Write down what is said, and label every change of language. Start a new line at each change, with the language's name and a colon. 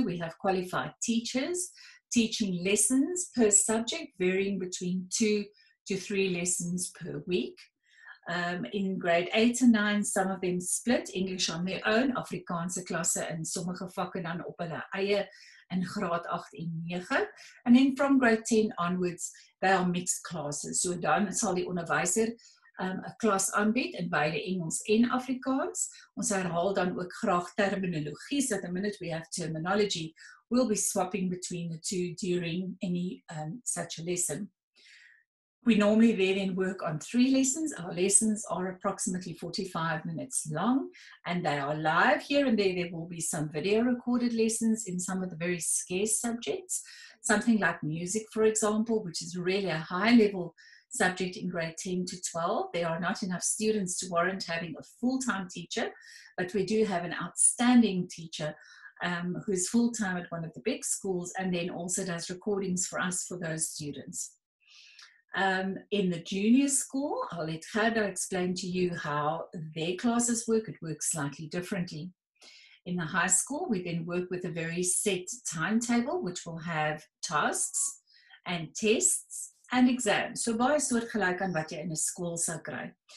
English: We have qualified teachers teaching lessons per subject, varying between 2 to 3 lessons per week. In grade 8 and 9, some of them split English on their own,
Afrikaans: Afrikaanse klasse in sommige vakke dan op hulle eie in graad 8 en 9.
English: And then from grade 10 onwards, they are mixed classes.
Afrikaans: So dan sal die onderwyser 'n klas aanbied in beide Engels en Afrikaans. Ons herhaal dan ook graag terminologie,
English: so the minute we have terminology, we'll be swapping between the two during any such a lesson. We normally then work on 3 lessons. Our lessons are approximately 45 minutes long and they are live. Here and there will be some video recorded lessons in some of the very scarce subjects. Something like music, for example, which is really a high level subject in grade 10 to 12. There are not enough students to warrant having a full-time teacher, but we do have an outstanding teacher who's full-time at one of the big schools and then also does recordings for us for those students. In the junior school, I'll let Gerda explain to you how their classes work. It works slightly differently. In the high school, we then work with a very set timetable, which will have tasks and tests and exams.
Afrikaans: So, baie soortgelyk aan wat jy in 'n skool sal kry.